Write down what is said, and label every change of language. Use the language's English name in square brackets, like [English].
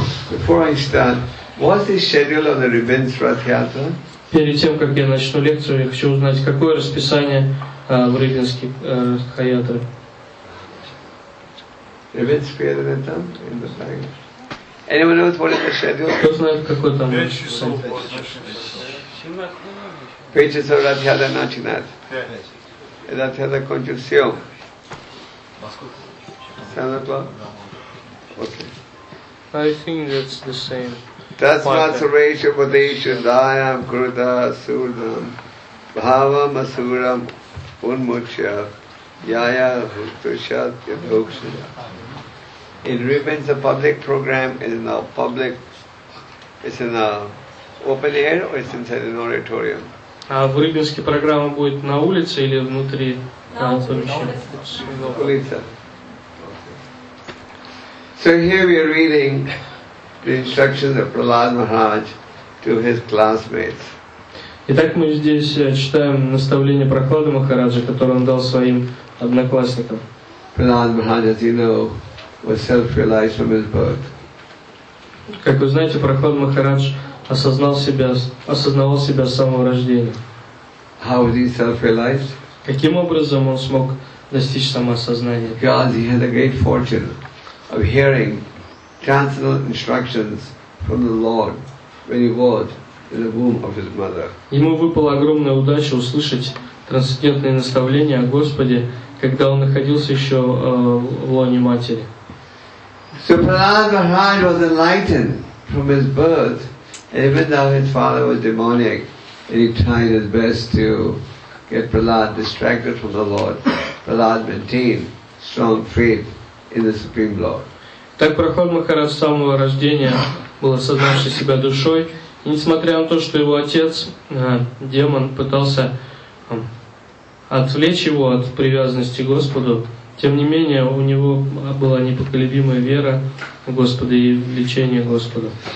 [English] Before I start, what's the schedule of the Ribbons Rath Yatra? [Russian] Перед тем, как я начну лекцию, я хочу узнать, какое расписание в Рыбинске Хаятры. Кто знает, какой там расписание? [English] I think that's the same. [Sanskrit] Tasmatsuresha Vadesha Dayam Kruta Asuram Bhavam Asuram Unmuchya Yaya Hutushatya Dokshaja. [English] In Ribbons, the public program is in a public, it's in a open air or it's inside an auditorium? [Russian] А в Рыбинске программа будет на улице или внутри помещения? На улице. [English] So here we are reading the instructions of Prahlad Maharaj to his classmates. [Russian] Итак, мы здесь читаем наставление Прахлады Махараджа, которое он дал своим одноклассникам. [English] Prahlad Maharaj, as you know, was self-realized from his birth. [Russian] Как вы знаете, Прахлада Махарадж осознавал себя с самого рождения. [English] How was he self-realized? [Russian] Каким образом он смог достичь самоосознания? [English] Because he had a great fortune of hearing transcendental instructions from the Lord when he was in the womb of his mother. [Russian] Ему выпала огромная удача услышать трансцендентные наставления о Господе, когда он находился еще в лоне матери. [English] So Prahlad Maharaj was enlightened from his birth. Even though his father was demonic, and he tried his best to get Prahlad distracted from the Lord, Prahlad maintained strong faith in the Supreme Lord. [Russian] Так Прахлад Махарадж с самого рождения был осознавший себя душой, и несмотря на то, что его отец, демон, пытался отвлечь его от привязанности к Господу, тем не менее у него была непоколебимая вера Господа и влечение Господа.